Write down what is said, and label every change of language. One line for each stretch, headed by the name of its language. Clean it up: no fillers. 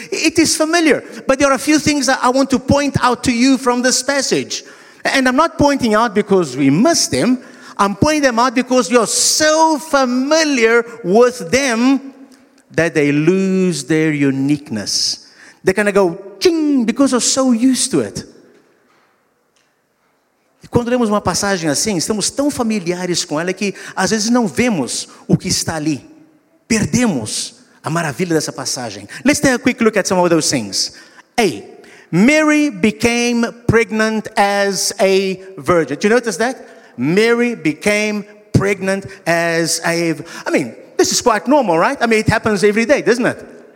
English: It is familiar, but there are a few things that I want to point out to you from this passage. And I'm not pointing out because we miss them. I'm pointing them out because you're so familiar with them that they lose their uniqueness. They kind of go, ching, because you're so used to it.
Portuguese: Quando lemos uma passagem assim, estamos tão familiares com ela que às vezes não vemos o que está ali. Perdemos a maravilha dessa passagem.
English: Let's take a quick look at some of those things. A. Mary became pregnant as a virgin. Do you notice that? Mary became pregnant as a virgin. I mean, this is quite normal, right? I mean, it happens every day, doesn't it?